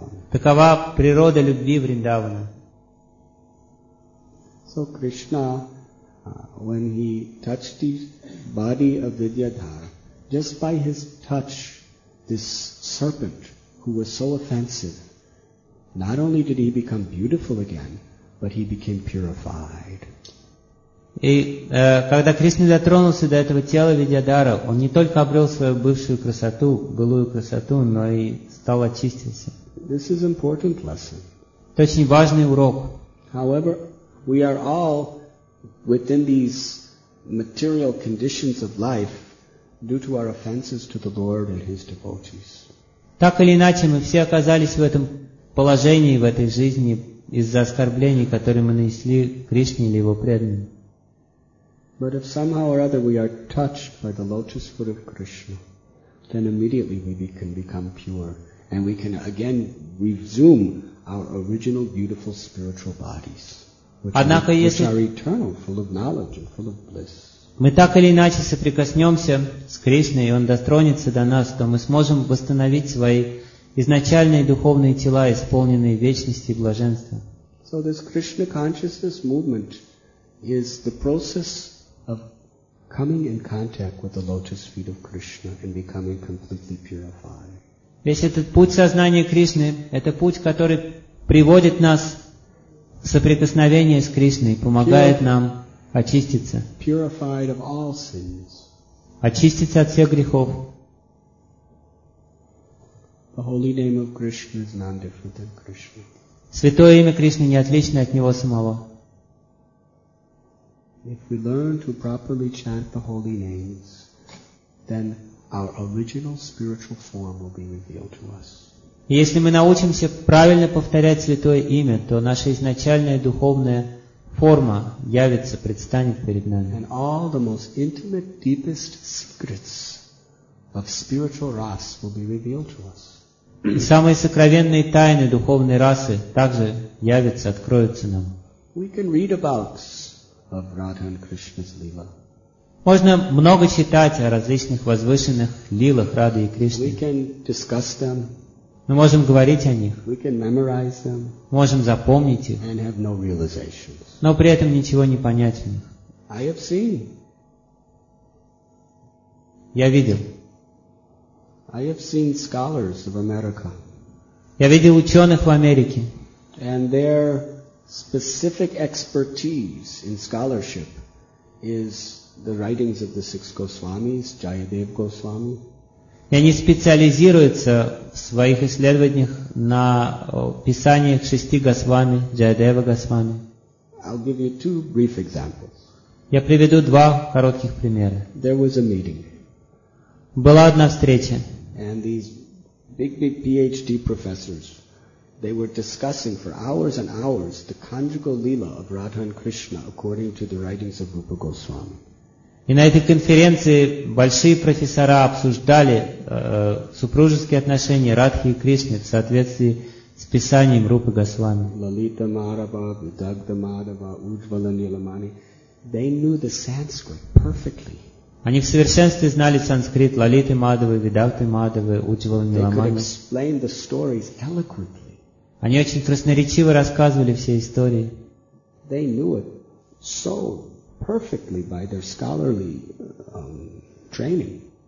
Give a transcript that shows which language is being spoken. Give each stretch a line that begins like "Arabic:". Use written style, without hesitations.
Russian: Такова природа любви Вриндавана.
English: So Krishna, when he touched the body of Vidyadhara, just by his touch, this serpent who was so offensive, not only did he become beautiful again, but he became purified.
Russian: И когда Кришна дотронулся до этого тела Видьядхара, он не только обрел свою бывшую красоту, былую красоту, но и стал очистился.
English: This is important lesson.
Russian: Это очень важный урок.
English: However, we are all within these material conditions of life due to our offenses to the Lord and His devotees.
Russian: Так или иначе, мы все оказались в этом положении, в этой жизни, из-за оскорблений, которые мы нанесли Кришне или Его преданным.
English: But if somehow or other we are touched by the lotus foot of Krishna, then immediately we can become pure, and we can again resume our original beautiful spiritual bodies, which are eternal, full of knowledge and full of bliss.
Russian: Мы так или иначе соприкоснемся с Кришной, и Он дотронется до нас, то мы сможем восстановить свои изначальные духовные тела, исполненные вечности и блаженства.
English: So this Krishna consciousness movement is the process of coming in contact with the lotus feet of Krishna and becoming completely purified.
Russian: Весь этот путь сознания Кришны — это путь, который приводит нас в соприкосновение с Кришной, помогает нам очиститься.
English: Purified of all sins.
Russian: Очиститься от всех грехов.
English: The holy name of Krishna is none different than Krishna.
Russian: Святое имя Кришны не отлично от Него самого.
English: If we learn to properly chant the holy names, then our original spiritual form will be revealed to us.
Russian: Если мы научимся правильно повторять святое имя, то наша изначальная духовная форма явится, предстанет перед нами.
English: And all the most intimate, deepest secrets of spiritual ras will be revealed to us.
Russian: И самые сокровенные тайны духовной расы также явятся, откроются нам.
English: we can read about of Radha and Krishna's Leela.
Russian: Можно много читать о различных возвышенных лилах Рады и Кришны.
English: We can discuss them.
Russian: Мы можем говорить о них.
English: We can memorize them.
Russian: Можем запомнить их.
English: And have no realizations.
Russian: Но при этом ничего не понять в них.
English: I have seen.
Russian: Я видел.
English: I have seen scholars of America.
Russian: Я видел ученых в Америке.
English: And their specific expertise in scholarship is the writings of the six Goswamis, Jayadev Goswami.
Russian: И они специализируются в своих исследованиях на писаниях шести Госвами, Джаядева Госвами.
English: I'll give you two brief examples.
Russian: Я приведу два коротких примера.
English: There was a meeting.
Russian: Была одна встреча.
English: And these big PhD professors, they were discussing for hours and hours the conjugal lila of Radha and Krishna according to the writings of Rupa Goswami.
Russian: И на этой конференции большие профессора обсуждали супружеские отношения Радхи и Кришны в соответствии с писанием Рупы Госвами. Лалита Мадхава, Видагдха Мадхава, Ужвала Ниламани.
English: They knew the Sanskrit perfectly.
Russian: Они в совершенстве знали санскрит Лалиты Мадхавы, Видагдхи Мадхавы, Ужвала Ниламани.
English: They could explain the stories eloquently.
Russian: Они очень красноречиво рассказывали все истории.
English: They knew it so perfectly by their scholarly training.